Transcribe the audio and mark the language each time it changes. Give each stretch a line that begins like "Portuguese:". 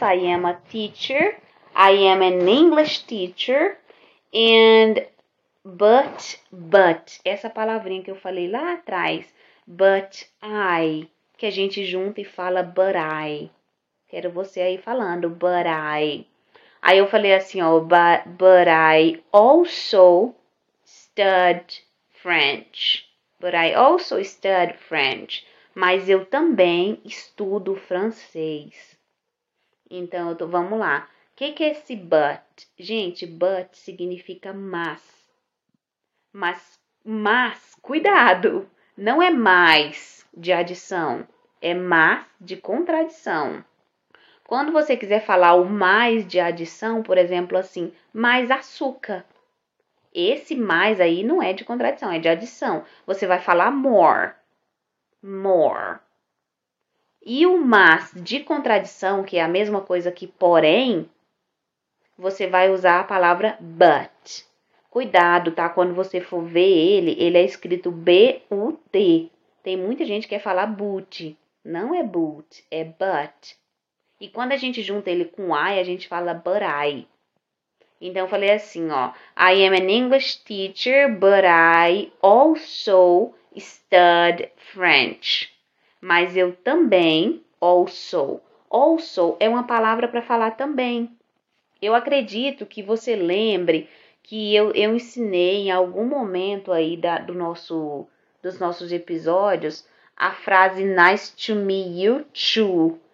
English: I am a teacher. I am an English teacher.
Portuguese: And but, essa palavrinha que eu falei lá atrás, but I, que a gente junta e fala but I. Quero você aí falando but I. Aí eu falei assim, ó,
English: but I also studied French. But I also study French.
Portuguese: Mas eu também estudo francês. Então, vamos lá. Que é esse but? Gente, but significa mas. Mas, cuidado! Não é mais de adição, é mas de contradição. Quando você quiser falar o mais de adição, por exemplo, assim, mais açúcar. Esse mais aí não é de contradição, é de adição. Você vai falar more. More. E o mas de contradição, que é a mesma coisa que porém, você vai usar a palavra but. Cuidado, tá? Quando você for ver ele é escrito but. Tem muita gente que quer falar but. Não é but, é but. E quando a gente junta ele com I, a gente fala but I. Então, eu falei assim, ó,
English: I am an English teacher, but I also study French.
Portuguese: Mas eu também, also. Also é uma palavra para falar também. Eu acredito que você lembre que eu ensinei em algum momento aí dos nossos episódios a frase
English: nice to meet you too.